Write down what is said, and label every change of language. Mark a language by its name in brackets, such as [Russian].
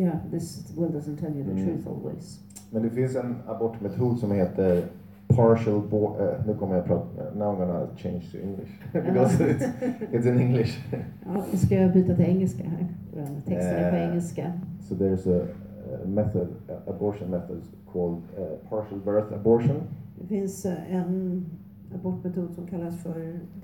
[English] This world doesn't tell you the truth always. [Swedish] Men det finns en abortmetod som heter partial nu kommer jag prata. [English] Now I'm gonna change to English because it's in English. [Swedish] Ja, ska jag byta till engelska här? Texten är på engelska. [English] So there's a method, abortion methods called partial birth abortion. [Swedish] Det finns en abortmetod som kallas för